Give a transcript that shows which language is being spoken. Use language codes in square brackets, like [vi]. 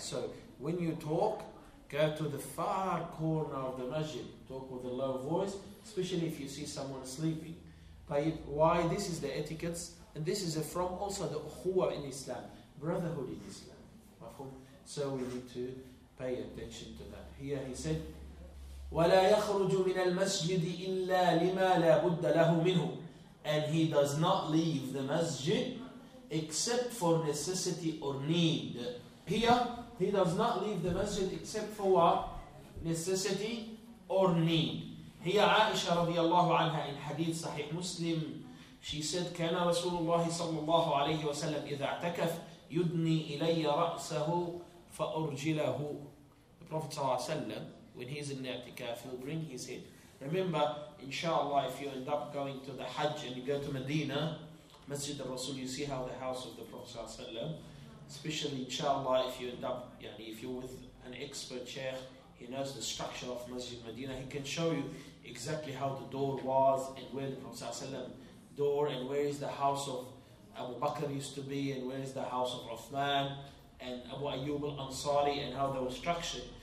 [en] So when you talk, go to the far corner of the masjid, talk with a low voice, especially if you see someone sleeping. طيب, why? This is the etiquettes, and this is from also the ukhuwa in Islam, brotherhood in Islam. So we need to pay attention to that. [ar] Here he said, وَلَا يَخْرُجُ مِنَ الْمَسْجِدِ إِلَّا لِمَا لَا بُدَّ لَهُ مِنْهُ. [en] And he does not leave the masjid except for necessity or need. Here, he does not leave the masjid except for what? Necessity or need. [ar] Here, Aisha radiallahu anha in hadith Sahih Muslim, she said, كَانَ رَسُولُ اللَّهِ صَلَّى اللَّهُ عَلَيْهِ وَسَلَّمِ إِذَا اعْتَكَفْ يُدْنِي إِلَيَّ رَأْسَهُ فَأُرْجِلَهُ. [en] The Prophet [ar] صلى الله عليه وسلم, [en] when he's in the i'tikaf, he'll bring his head. Remember, inshallah, if you end up going to the Hajj and you go to Medina, Masjid al-Rasul, you see how the house of the Prophet [ar] صلى الله عليه وسلم, [en] especially inshallah, if you end up, يعني, if you're with an expert sheikh, he knows the structure of Masjid Medina, he can show you exactly how the door was and where the Prophet صلى الله عليه وسلم door and where is the house of Abu Bakr used to be and where is the house of Uthman and Abu Ayyub al-Ansari and how they were structured.